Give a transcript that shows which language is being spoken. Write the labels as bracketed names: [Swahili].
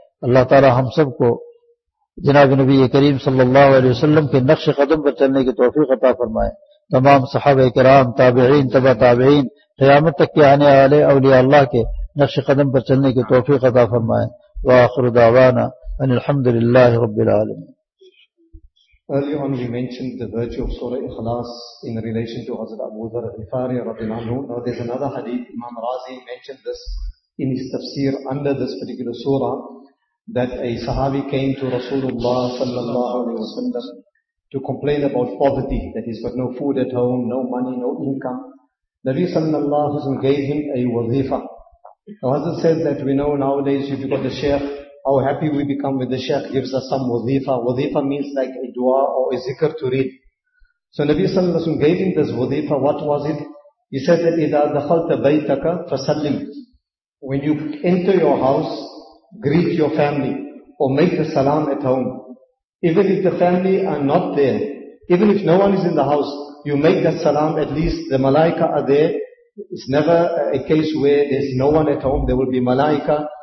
[Urdu] اللہ تعالیٰ ہم سب کو جناب نبی کریم صلی اللہ علیہ وسلم کے نقش قدم پر چلنے کی توفیق عطا فرمائے, تمام صحابہ کرام, تابعین, تبع تابعین, قیامت تک کے آنے والے اولیاء اللہ کے نقش قدم پر چلنے کی توفیق عطا فرمائے. [Arabic] وآخر دعوانا ان الحمد للہ رب العالمین. [English] Earlier on we mentioned the virtue of Surah Ikhlas in relation to Hazrat Abu Dharr al-Ghifari radhiyallahu anhu. Now there's another hadith, Imam Razi mentioned this in his tafsir under this particular surah, that a sahabi came to Rasulullah sallallahu alayhi wa sallam to complain about poverty, that he's got no food at home, no money, no income. Nabi sallallahu alayhi wa sallam gave him a wazifa. Now Hazrat says that we know nowadays if you've got the sheikh, how happy we become when the sheikh gives us some wazifa. Wazifa means like a dua or a zikr to read. So Nabi sallallahu alayhi wa sallam gave him this wazifa. What was it? He said that [Arabic] إِذَا دَخَلْتَ بَيْتَكَ فَسَلِّمْ. [English] When you enter your house, greet your family or make the salam at home. Even if the family are not there, even if no one is in the house, you make that salam, at least the malaika are there. It's never a case where there's no one at home, there will be malaika.